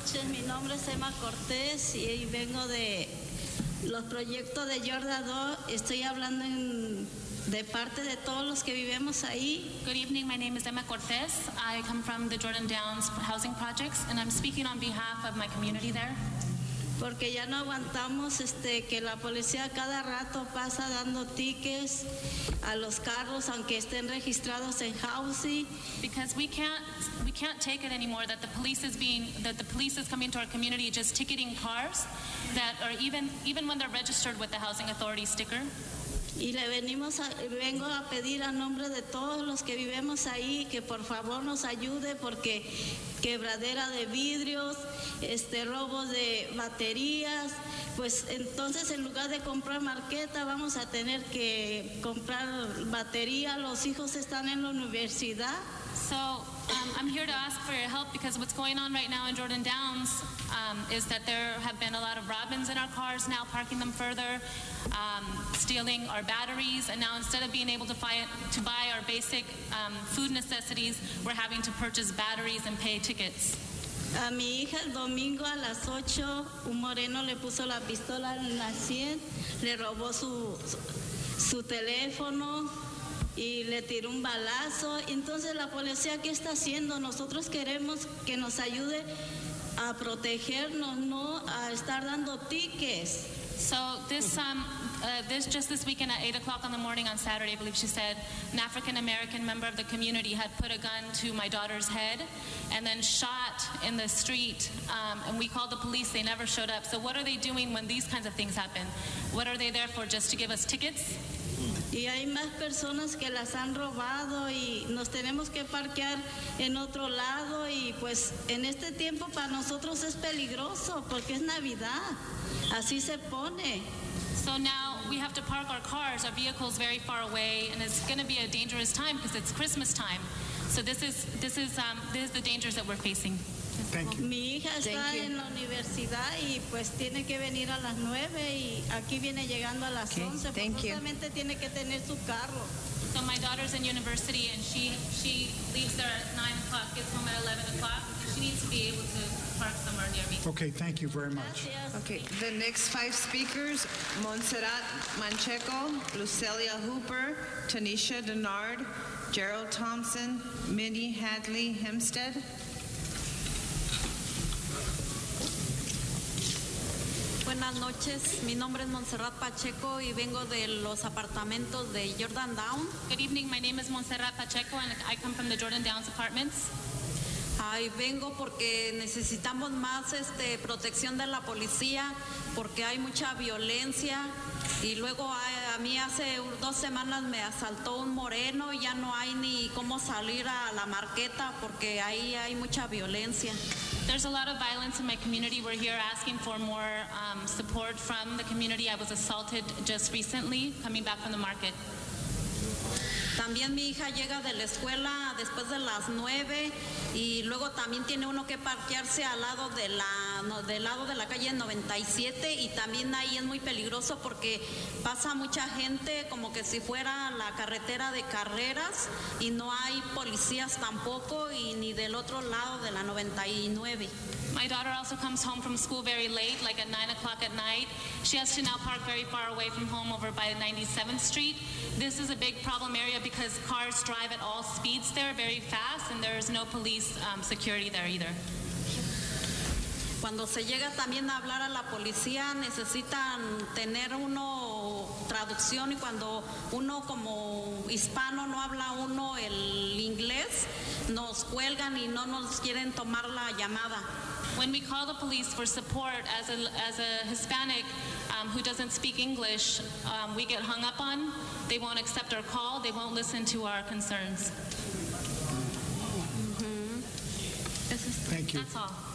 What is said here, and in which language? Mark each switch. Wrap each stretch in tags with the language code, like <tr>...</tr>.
<es>Mi nombre es Emma Cortés y vengo de los proyectos de Jordan 2. Estoy hablando en, de parte de todos los que vivimos ahí.</es> <en>Good evening, my name is Emma Cortés. I come from the Jordan Downs housing projects and I'm speaking on behalf of my community there.</en> <es>Porque ya no aguantamos este, que la policía cada rato pasa dando tickets a los carros aunque estén registrados en housing.</es> <en>Because we can't take it anymore that the police is coming to our community just ticketing cars that are even when they're registered with the housing authority sticker.</en> <es>Y le venimos a, vengo a pedir a nombre de todos los que vivimos ahí que por favor nos ayude porque quebradera de vidrios, este robo de baterías, pues entonces en lugar de comprar marqueta vamos a tener que comprar batería, los hijos están en la universidad.</es> <en>So I'm here to ask for your help because what's going on right now in Jordan Downs is that there have been a lot of robins in our cars now, parking them further, stealing our batteries, and now instead of being able to buy our basic food necessities, we're having to purchase batteries and pay tickets.</en> <es>A mi hija el domingo a las 8, un moreno le puso la pistola en la 100, le robó su teléfono. Y le tiró un balazo. Entonces, ¿la policía qué está haciendo? Nosotros queremos que nos ayude a protegernos, no a estar dando tickets.</es> <en>So, this weekend at 8 o'clock on the morning on Saturday, I believe she said, an African-American member of the community had put a gun to my daughter's head and then shot in the street, and we called the police. They never showed up. So, what are they doing when these kinds of things happen? What are they there for, just to give us tickets?</en> <es>Y hay más personas que las han robado y nos tenemos que parquear en otro lado y pues en este tiempo para nosotros es peligroso porque es Navidad, así se pone.</es> <en>So now we have to park our cars, our vehicles very far away, and it's going to be a dangerous time because it's Christmas time. So this is the dangers that we're facing. Thank you.</en> <es>Mi hija está</es> <en>Thank you.</en> <es>En la universidad y pues tiene que venir a las 9 y aquí viene llegando a las 11.</es> <en>Okay. Thank you.</en> <es>Justamente tiene que tener su carro.</es> <en>So my daughter's in university and she leaves there at 9 o'clock, gets home at 11 o'clock. She needs to be able to park somewhere near me. Okay, thank you very much.</en> <es>Gracias.</es> <en>Okay, the next five speakers, Montserrat Mancheco, Lucelia Hooper, Tanisha Denard, Gerald Thompson, Minnie Hadley Hempstead.</en> <es>Buenas noches, mi nombre es Montserrat Pacheco y vengo de los apartamentos de Jordan Down.</es> <en>Good evening, my name is Montserrat Pacheco and I come from the Jordan Downs apartments.</en> <es>Ay, vengo porque necesitamos más este, protección de la policía porque hay mucha violencia y luego a mí hace dos semanas me asaltó un moreno y ya no hay ni cómo salir a la marqueta porque ahí hay mucha violencia.</es> <en>There's a lot of violence in my community. We're here asking for more support from the community. I was assaulted just recently coming back from the market. También mi hija llega de la escuela después de las 9 y luego también tiene uno que parquearse al lado de la, no, del lado de la calle 97 y también ahí es muy peligroso porque pasa mucha gente como que si fuera la carretera de carreras y no hay policías tampoco y ni del otro lado de la 99. My daughter also comes home from school very late, like at 9 o'clock at night. She has to now park very far away from home over by 97th Street. This is a big problem area because cars drive at all speeds there very fast and there is no police security there either.</en> <es>Cuando se llega también a hablar a la policía, necesitan tener uno traducción y cuando uno como hispano no habla uno el inglés, nos cuelgan y no nos quieren tomar la llamada.</es> <en>When we call the police for support as a Hispanic who doesn't speak English, we get hung up on. They won't accept our call. They won't listen to our concerns. Mm-hmm. Thank you. That's all.</en>